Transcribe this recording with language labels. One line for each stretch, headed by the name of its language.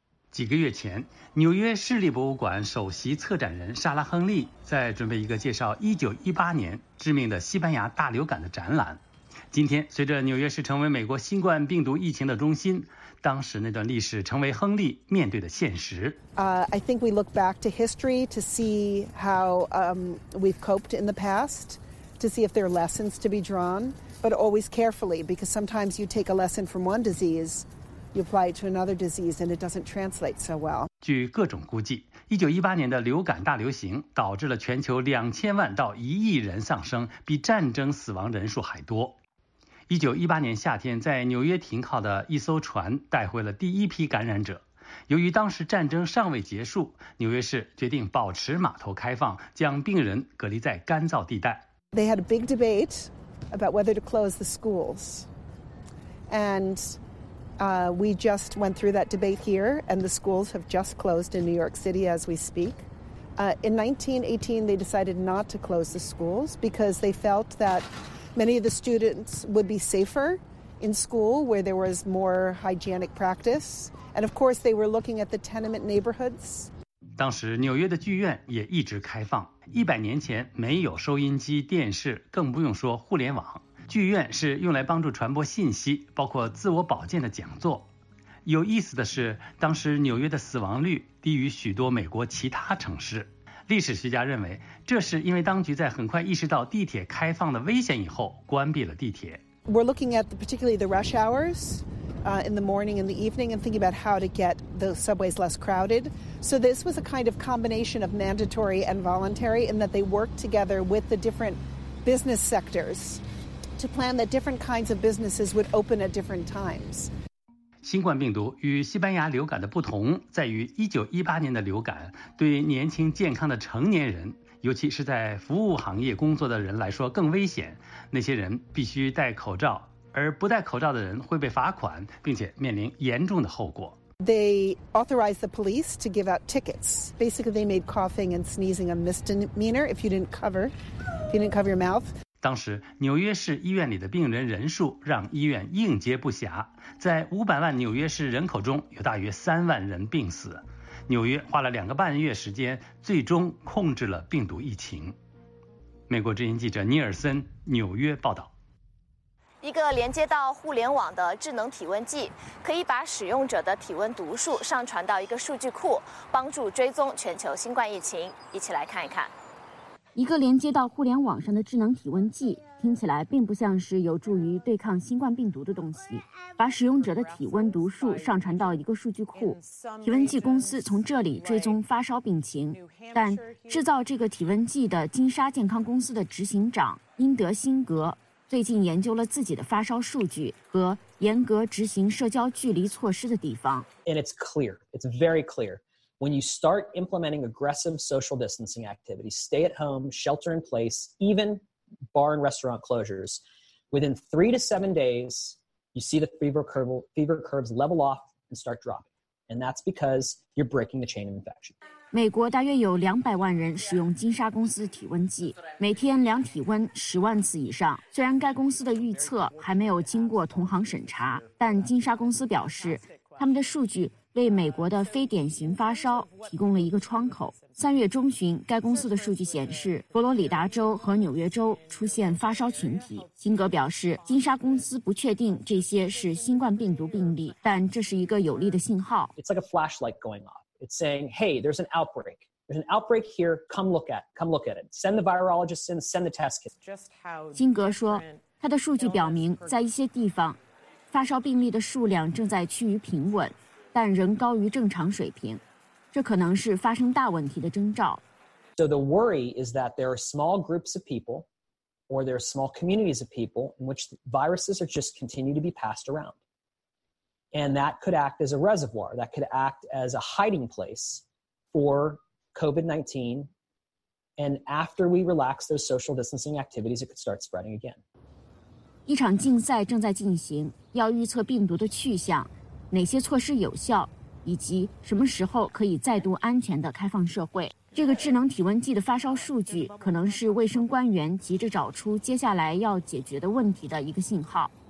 Chinese: 几个月前，纽约市立博物馆首席策展人莎拉·亨利在准备一个介绍1918年知名的西班牙大流感的展览。今天，随着纽约市成为美国新冠病毒疫情的中心，当时那段历史成为亨利面对的现实。
English: I think we look back to history to see how we've coped in the past, to see if there are lessons to be drawn, but always carefully, because sometimes you take a lesson from one disease, you apply it to another disease, and it doesn't translate so well.
Chinese: 据各种估计，1918年的流感大流行导致了全球2000万到1亿人丧生，比战争死亡人数还多。 1918年夏天，在纽约停靠的一艘船带回了第一批感染者。由于当时战争尚未结束，纽约市决定保持码头开放，将病人隔离在干燥地带。
English: They had a big debate about whether to close the schools, and we just went through that debate here, and the schools have just closed in New York City as we speak. In 1918, they decided not to close the schools because they felt that. Many of the students would be safer in school where there was more hygienic practice. And of course, they were looking at the tenement neighborhoods.
Chinese: 当时纽约的剧院也一直开放。100年前没有收音机、电视，更不用说互联网。剧院是用来帮助传播信息，包括自我保健的讲座。有意思的是，当时纽约的死亡率低于许多美国其他城市。历史学家认为，这是因为当局在很快意识到地铁开放的危险以后，关闭了地铁。
English: we're looking at particularly the rush hours in the morning and the evening and thinking about how to get the subways less crowded. So this was a kind of combination of mandatory and voluntary in that they worked together with the different business sectors to plan that different kinds of businesses would open at different times.
Chinese: 新冠病毒与西班牙流感的不同在于1918年的流感对年轻健康的成年人，尤其是在服务行业工作的人来说更危险，那些人必须戴口罩，而不戴口罩的人会被罚款，并且面临严重的后果。
English: They authorized the police to give out tickets. Basically, they made coughing and sneezing a misdemeanor if you didn't cover your mouth.
Chinese: 当时纽约市医院里的病人人数让医院应接不暇，在500万纽约市人口中有大约3万人病死，纽约花了2个半月时间最终控制了病毒疫情。美国之音记者尼尔森纽约报道。一个连接到互联网的智能体温计，可以把使用者的体温读数上传到一个数据库，帮助追踪全球新冠疫情。一起来看一看。一个连接到互联网上的智能体温计，听起来并不像是有助于对抗新冠病毒的东西。把使用者的体温读数上传到一个数据库，体温计公司从这里追踪发烧病情。但制造这个体温计的金沙健康公司的执行长英德辛格最近研究了自己的发烧数据和严格执行社交距离措施的地方。
English: And it's clear, it's very clear. When you start implementing aggressive social distancing activities, stay at home, shelter in place, even bar and restaurant closures, within 3 to 7 days, you see the fever curves level off and start dropping. And that's because you're breaking the chain of infection.
Chinese: 美国大约有200万人使用金沙公司的体温计，每天量体温10万次以上。虽然该公司的预测还没有经过同行审查，但金沙公司表示，他们的数据为美国的非典型发烧提供了一个窗口。 3月中旬，该公司的数据显示，佛罗里达州和纽约州出现发烧群体。辛格表示，金沙公司不确定这些是新冠病毒病例，但这是一个有利的信号。
English: It's like a flashlight going off. It's saying, "Hey, there's an outbreak. There's an outbreak here. Come look at it. Send the virologists in. Send the test kits."
Chinese: 辛格说，他的数据表明，在一些地方，发烧病例的数量正在趋于平稳。但仍高于正常水平，这可能是发生大问题的征兆。
English: So the worry is that there are small groups of people, or there are small communities of people in which viruses are just continue to be passed around, and that could act as a reservoir, that could act as a hiding place for COVID-19. And after we relax those social distancing activities, it could start spreading again.
Chinese: 一场竞赛正在进行，要预测病毒的去向。哪些措施有效，以及什么时候可以再度安全地开放社会。这个智能体温计的发烧数据可能是卫生官员急着找出接下来要解决的问题的一个信号。